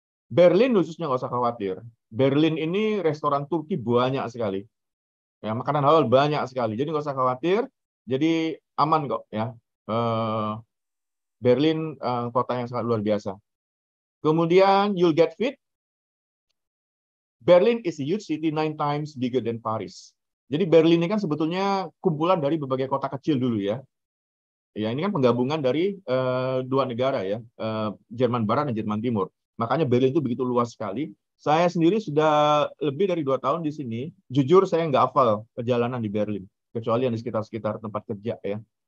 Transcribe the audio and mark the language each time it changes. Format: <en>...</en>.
<id>Berlin khususnya nggak usah khawatir. Berlin ini restoran Turki banyak sekali. Ya, makanan halal banyak sekali. Jadi nggak usah khawatir. Jadi aman kok ya. Berlin kota yang sangat luar biasa.</id> <en>Kemudian, you'll get fit. Berlin is a huge city 9 times bigger than Paris.</en> <id>Jadi Berlin ini kan sebetulnya kumpulan dari berbagai kota kecil dulu ya. Ya ini kan penggabungan dari dua negara ya, Jerman Barat dan Jerman Timur. Makanya Berlin itu begitu luas sekali. Saya sendiri sudah lebih dari 2 tahun di sini. Jujur saya nggak hafal perjalanan di Berlin, kecuali yang di sekitar-sekitar tempat kerja ya.</id>